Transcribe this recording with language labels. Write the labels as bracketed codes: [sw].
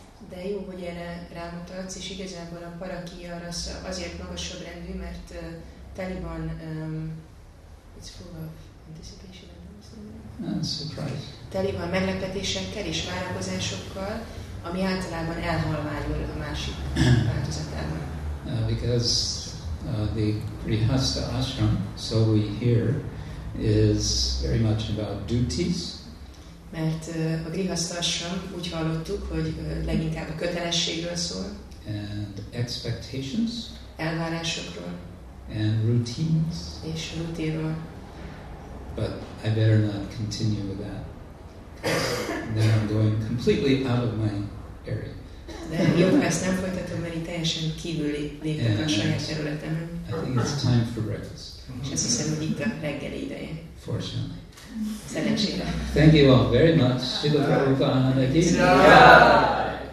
[hu] De jó, hogy erre rámutatsz, és igazából a Parakya rasa azért magasabb rendű, mert teli van [en] it's full of anticipation and surprise. [hu] Teli van meglepetésekkel és várakozásokkal, ami általában elhalványul a másik változatában. [en] Because the Grihastha ashram, so we hear, is very much about duties. [hu] Mert a Grihastha ashram, úgy hallottuk, hogy leginkább a kötelességről szól. [en] And expectations. [hu] Elvárásokról. [en] And routines. [hu] És rutinról. [en] But I better not continue with that. Then I'm going completely out of my area. [hu] De jó, ezt nem folytatom, mert teljesen kívüli lépek a saját területemen. [en] I think it's time for breakfast. [hu] És azt hiszem, hogy itt a reggeli ideje. [en] Fortunately. [hu] Szerencsére. [en] Thank you all very much. Shiva Prabhupada. Thank you.